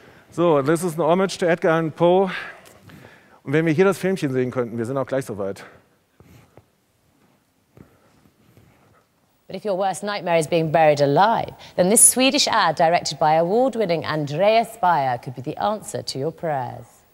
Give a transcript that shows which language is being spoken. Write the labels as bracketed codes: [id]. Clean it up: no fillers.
[en] So, this is an homage to Edgar Allan Poe. [de] Und wenn wir hier das Filmchen sehen könnten, wir sind auch gleich soweit. [en] But if your worst nightmare is being buried alive, then this Swedish ad directed by award-winning Andreas Baier could be the answer to your prayers.